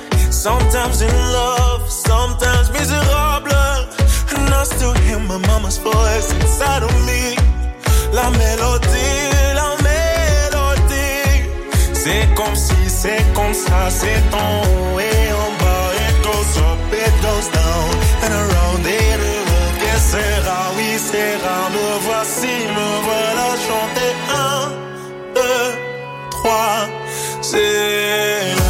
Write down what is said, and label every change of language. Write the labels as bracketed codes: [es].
[en] Sometimes in love, sometimes miserable. And I still hear my mama's voice inside of me. [fr] La mélodie, la mélodie. C'est comme ça, c'est en haut et en bas. [en] It goes up, it goes down, and around it all. [fr] Que sera, oui sera, me voici, me voilà. Chanter un, deux, trois, c'est...